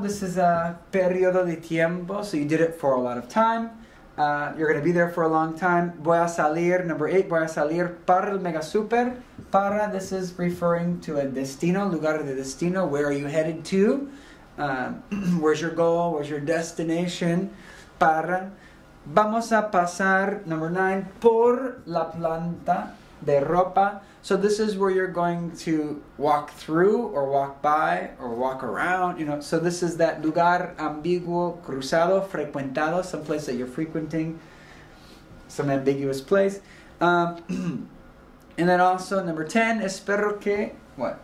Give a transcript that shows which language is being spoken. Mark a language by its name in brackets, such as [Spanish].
[English] This is a periodo de tiempo, so you did it for a lot of time. You're going to be there for a long time. [Spanish] Voy a salir, number eight, voy a salir para el mega super. [English] Para, this is referring to a destino, lugar de destino, where are you headed to? Where's your goal? Where's your destination? Para. [Spanish] Vamos a pasar, number nine, por la planta de ropa. [English] So this is where you're going to walk through or walk by or walk around, you know. So this is that lugar ambiguo, cruzado, frecuentado, some place that you're frequenting, some ambiguous place. and then also, number 10, espero que, what?